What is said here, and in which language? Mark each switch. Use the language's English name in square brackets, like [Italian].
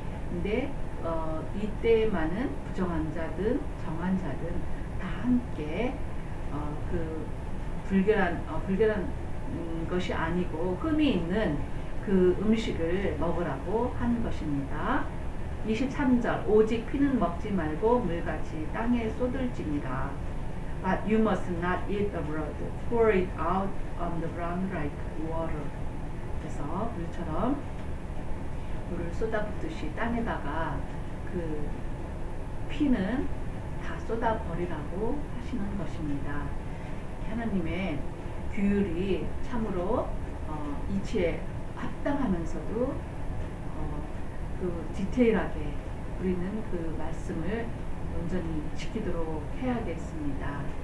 [Korean] 근데 이때만은 부정한 자든 정한 자든 다 함께 그 불결한 것이 아니고 흠이 있는 그 음식을 먹으라고 하는 것입니다. 23절 오직 피는 먹지 말고 물같이 땅에 쏟을지니라. [English] But you must not eat the blood. Pour it out on the ground like water. [Korean] 그래서 물처럼 물을 쏟아붓듯이 땅에다가 그 피는 다 쏟아버리라고 하시는 것입니다. 하나님의 규율이 참으로 이치에 합당하면서도 그 디테일하게 우리는 그 말씀을 온전히 지키도록 해야겠습니다.